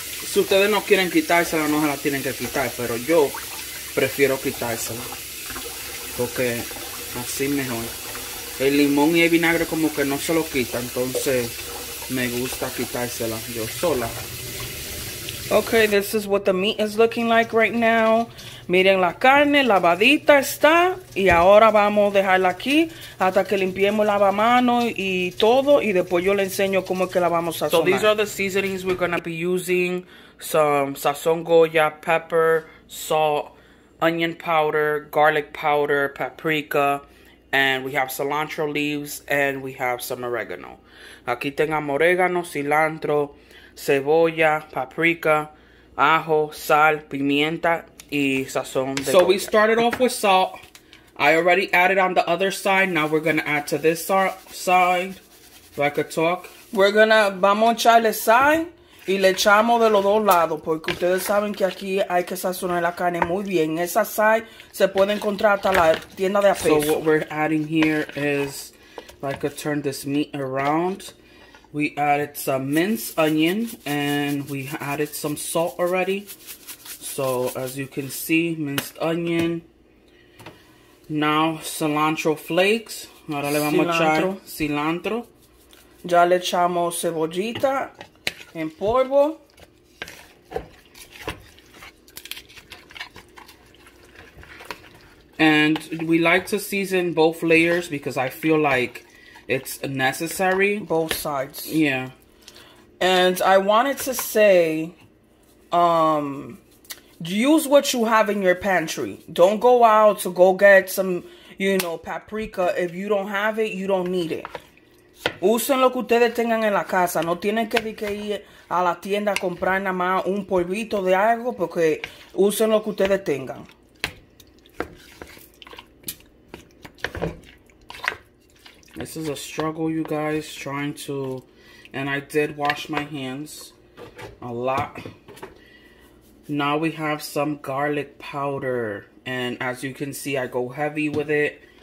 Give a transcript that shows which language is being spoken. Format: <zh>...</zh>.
<es>Si ustedes no quieren quitársela, no se la tienen que quitar. Pero yo prefiero quitársela. Porque así mejor. El limón y el vinagre como que no se lo quita. Entonces me gusta quitársela yo sola.</es> <en>Okay, this is what the meat is looking like right now.</en> <es>Miren la carne, lavadita está. Y ahora vamos a dejarla aquí hasta que limpiemos el lavamanos y todo. Y después yo le enseño cómo es que la vamos a sazonar.</es> <en>So these are the seasonings we're going to be using. Some sazon goya, pepper, salt, onion powder, garlic powder, paprika. And we have cilantro leaves and we have some oregano.</en> <es>Aquí tengamos orégano, cilantro, cebolla, paprika, ajo, sal, pimienta, y sazón de</es> <en>So goya. We started off with salt. I already added on the other side. Now we're going to add to this side. If I could talk. We're going to,</en> <es>vamos a echarle sal y le echamos de los dos lados. Porque ustedes saben que aquí hay que sazonar la carne muy bien. Esa sal se puede encontrar hasta la tienda de apeso.</es> <en>So what we're adding here is, if I could turn this meat around. We added some minced onion and we added some salt already. So as you can see, minced onion. Now cilantro flakes.</en> <es>Ahora le vamos a echar cilantro. Ya le echamos cebollita en polvo.</es> <en>And we like to season both layers because I feel like it's necessary. Both sides. Yeah. And I wanted to say, use what you have in your pantry. Don't go out to go get some, you know, paprika. If you don't have it, you don't need it.</en> <es>Usen lo que ustedes tengan en la casa. No tienen que ir a la tienda a comprar nada más un polvito de algo porque usen lo que ustedes tengan.</es> <en>This is a struggle, you guys, trying to, and I did wash my hands a lot. Now we have some garlic powder, and as you can see, I go heavy with it.</en>